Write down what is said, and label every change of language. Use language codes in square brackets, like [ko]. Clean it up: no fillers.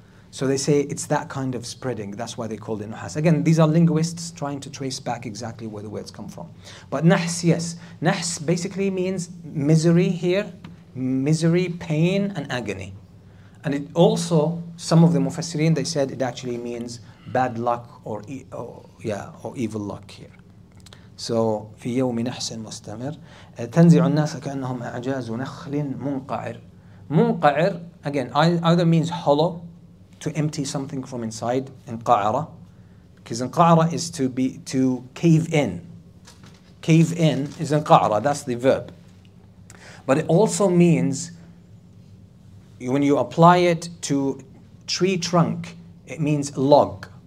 [en] So they say it's that kind of spreading. That's why they called it nuhas. Again, these are linguists trying to trace back exactly where the words come from. But nahs, yes. Nahs basically means misery here. Misery, pain, and agony. And it also, some of the mufassirin, they said it actually means bad luck or evil luck here. [ar] So, في يوم نحس مستمر تنزع الناس كأنهم أعجاز نخل منقعر. [en] منقعر, again, either means hollow, to empty something from inside, in qa'ara, because in qa'ara is to cave in. Cave in is in qa'ara, that's the verb. But it also means, when you apply it to tree trunk, it means log.